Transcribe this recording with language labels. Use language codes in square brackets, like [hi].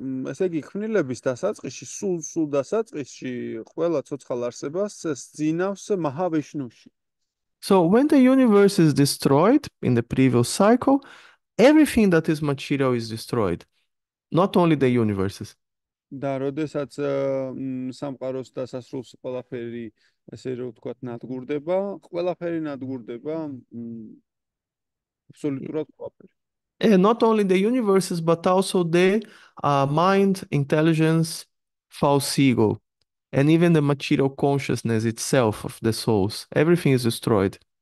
[ka] ესე იგი, ქმნილების დასაწყისში, სულ დასაწყისში, ყველა ცოცხალ არსებას სძინავს მაჰავიშნუში. [en] So when the universe is destroyed in the previous cycle, everything that is material is destroyed, not only the universes. [ka] და როდესაც სამყაროს დასასრულს ყველაფერი, ესე რომ ვთქვათ, ნადგურდება, ყველაფერი ნადგურდება, აბსოლუტურად ყველაფერი. [en] And not only the universes, but also the mind, intelligence, false ego, and even the material consciousness itself of the souls. Everything is destroyed.